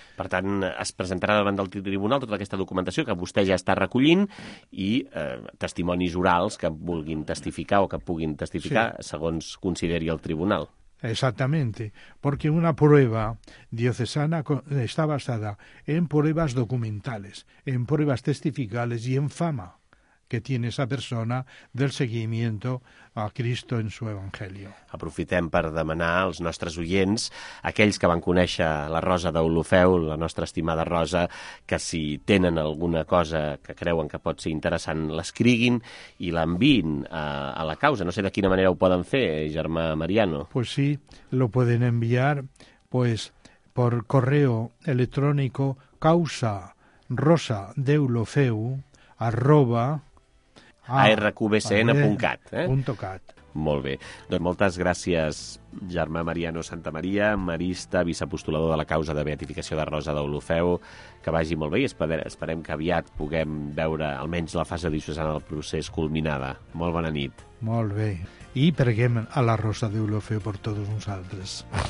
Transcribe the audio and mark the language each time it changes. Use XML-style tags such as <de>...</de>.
<ca>Per tant, es presentarà davant del tribunal tota aquesta documentació que vostè ja està recollint i testimonis orals que vulguin testificar o que puguin testificar, sí, segons consideri el tribunal.</ca> <es>Exactamente, porque una prueba diocesana está basada en pruebas documentales, en pruebas testificales y en fama que tiene esa persona del seguimiento a Cristo en su Evangelio.</es> <ca>Aprofitem per demanar als nostres oients, aquells que van conèixer la Rosa d'Olofeu, la nostra estimada Rosa, que si tenen alguna cosa que creuen que pot ser interessant, l'escriguin i l'enviïn a la causa. No sé de quina manera ho poden fer, germà Mariano.</ca> <es>Pues sí, lo pueden enviar pues por correo electrónico causarosadeolofeu@rqbcn.cat.</es> <ca>Molt bé. Doncs moltes gràcies, germà Mariano Santamaria, marista, viceapostolador de la causa de beatificació de Rosa d'Olofeu. Que vagi molt bé i esperem que aviat puguem veure almenys la fase diocesana del procés culminada. Molt bona nit. Molt bé. I preguem a la Rosa d'Olofeu per tots nosaltres.</ca>